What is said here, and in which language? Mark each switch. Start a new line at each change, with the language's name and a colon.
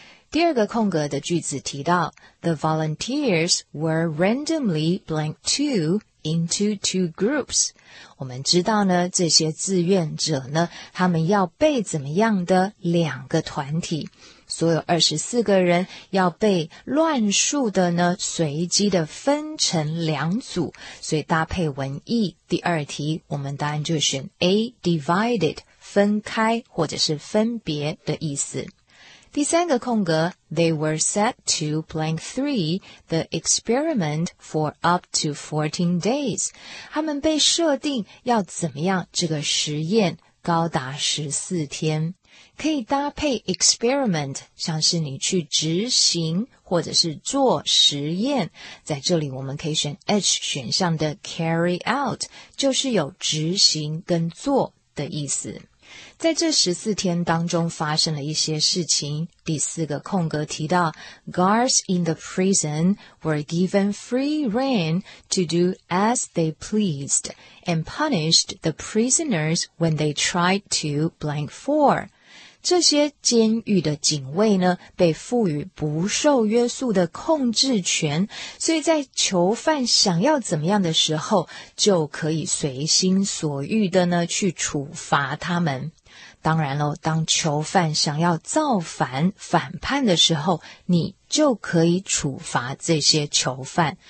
Chinese: 第二个空格的句子提到
English: The volunteers were randomly blanked two into two groups.
Chinese: 我们知道呢，这些志愿者呢，他们要被怎么样的两个团体，所有24个人要被乱数的呢，随机的分成两组。所以搭配文意，第二题我们当然就选 A, divided, 分开或者是分别的意思。第三个空格
English: ,they were set to blank 3, the experiment for up to 14 days.
Chinese: 他们被设定要怎么样这个实验高达14天。可以搭配 experiment, 像是你去执行或者是做实验。在这里我们可以选 H 选项的 carry out, 就是有执行跟做的意思。在这14天当中发生了一些事情，第四个空格提到
English: Guards in the prison were given free rein to do as they pleased and punished the prisoners when they tried to blank four.
Chinese: 这些监狱的警卫呢，被赋予不受约束的控制权，所以在囚犯想要怎么样的时候，就可以随心所欲的呢，去处罚他们。当然了，当囚犯想要造反反叛的时候，你就可以处罚这些囚犯。